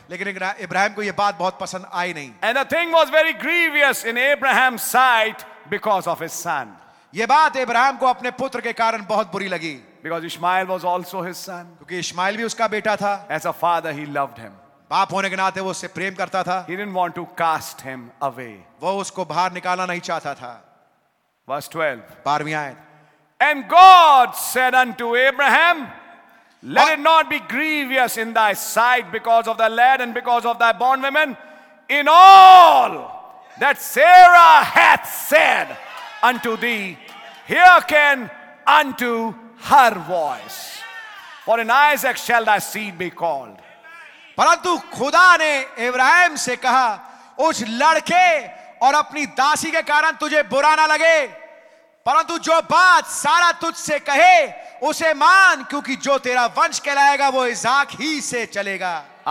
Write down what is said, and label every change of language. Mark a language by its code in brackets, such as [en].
[hi] लेकिन इब्राहिम को ये बात बहुत पसंद आई नहीं. [en] And the thing was very grievous in Abraham's sight because of his son. [hi] ये बात इब्राहिम को अपने पुत्र के कारण बहुत बुरी लगी. [en] Because Ishmael was also his son. [hi] क्योंकि इश्माइल भी उसका बेटा था. [en] As a father, he loved him. [hi] बाप होने के नाते वो उससे प्रेम करता था. [en] He didn't want to cast him away. [hi] वो उसको बाहर निकालना नहीं चाहता था. [en] Verse 12. [hi] 12वीं आयत. [en] And God said unto Abraham, Let it not be grievous in thy sight because of the lad and because of thy bondwoman. In all that Sarah hath said unto thee, hearken unto her voice. For in Isaac shall thy seed be called. [hi] परंतु खुदा ने इब्राहिम से कहा, उस लड़के और अपनी दासी के कारण तुझे बुरा ना लगे, परंतु जो बात सारा तुझसे कहे उसे मान, क्योंकि जो तेरा वंश कहलाएगा वो इसहाक ही से चलेगा.